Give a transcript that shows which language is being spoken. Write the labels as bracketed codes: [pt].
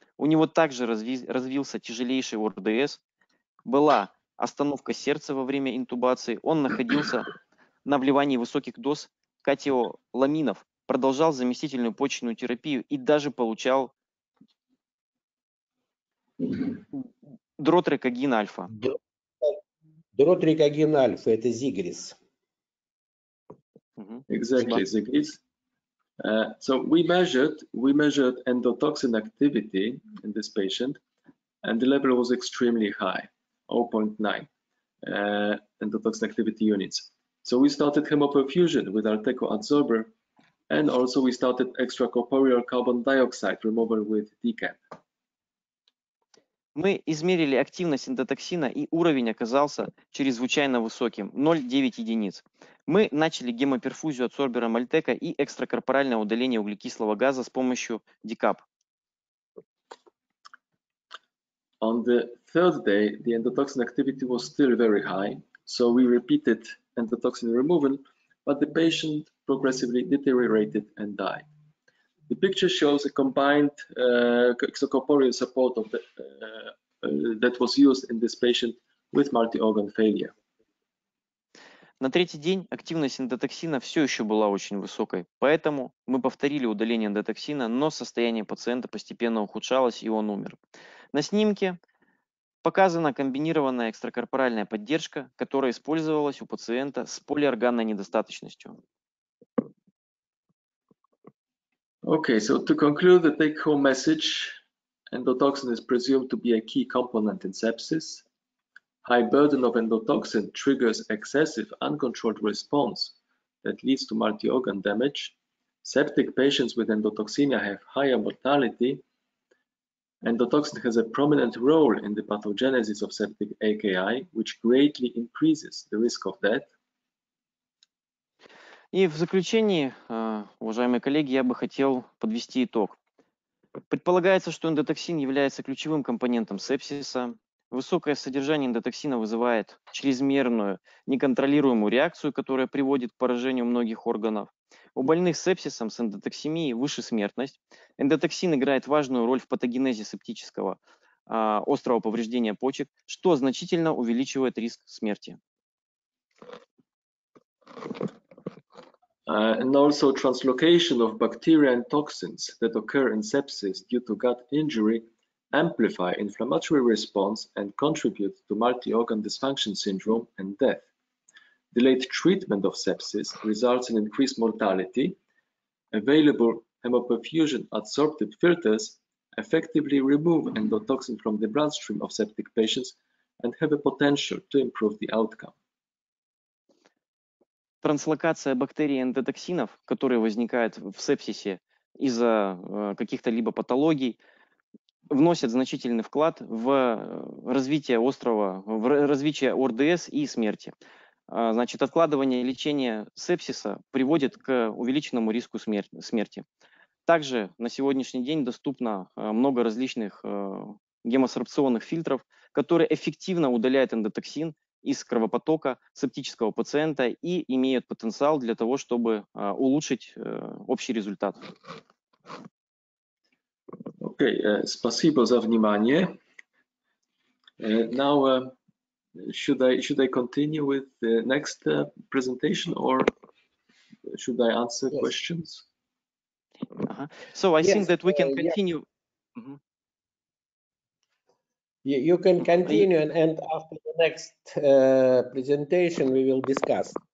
[ru] У него также развился тяжелейший ОРДС, была остановка сердца во время интубации, он находился на вливании высоких доз катеоламинов, продолжал заместительную почечную терапию и даже получал дротрекогин альфа. Дротрекогин альфа, это Зигрис. [en] Exactly, Зигрис. So we measured endotoxin activity in this patient, and the level was extremely high, 0.9 endotoxin activity units. So we started hemoperfusion with Arteco Adsorber, and also we started extracorporeal carbon dioxide removal with DCAP. [ru] Мы измерили активность эндотоксина, и уровень оказался чрезвычайно высоким – 0,9 единиц. Мы начали гемоперфузию от сорбера Мальтека и экстракорпоральное удаление углекислого газа с помощью DCAP. [en] On the third day, the endotoxin activity was still very high, so we repeated endotoxin removal, but the patient progressively deteriorated and died. The picture shows a combined extracorporeal support of the, that was used in this patient with multi-organ failure. [ru] На третий день активность эндотоксина все еще была очень высокой, поэтому мы повторили удаление эндотоксина, но состояние пациента постепенно ухудшалось, и он умер. На снимке показана комбинированная экстракорпоральная поддержка, которая использовалась у пациента с полиорганной недостаточностью. [en] Okay, so to conclude the take-home message, endotoxin is presumed to be a key component in sepsis. High burden of endotoxin triggers excessive uncontrolled response that leads to multi-organ damage. Septic patients with endotoxemia have higher mortality. Endotoxin has a prominent role in the pathogenesis of septic AKI, which greatly increases the risk of death. [ru] И в заключении, уважаемые коллеги, я бы хотел подвести итог. Предполагается, что эндотоксин является ключевым компонентом сепсиса. Высокое содержание эндотоксина вызывает чрезмерную неконтролируемую реакцию, которая приводит к поражению многих органов. У больных с сепсисом с эндотоксемией выше смертность. Эндотоксин играет важную роль в патогенезе септического острого повреждения почек, что значительно увеличивает риск смерти. [en] And also translocation of bacteria and toxins that occur in sepsis due to gut injury amplify inflammatory response and contribute to multi-organ dysfunction syndrome and death. Delayed treatment of sepsis results in increased mortality. Available hemoperfusion adsorptive filters effectively remove endotoxin from the bloodstream of septic patients and have a potential to improve the outcome. [ru] Транслокация бактерий эндотоксинов, которые возникают в сепсисе из-за каких-то либо патологий, вносят значительный вклад в развитие острого, в развитие ОРДС и смерти. Значит, откладывание лечения сепсиса приводит к увеличенному риску смерти. Также на сегодняшний день доступно много различных гемосорбционных фильтров, которые эффективно удаляют эндотоксин из кровопотока септического пациента и имеют потенциал для того, чтобы улучшить общий результат. Okay, спасибо за внимание. [en] Now, should I continue with the next presentation or should I answer yes. questions? So I yes. think that we can continue. Yeah. Mm-hmm. You can continue and after the next presentation we will discuss.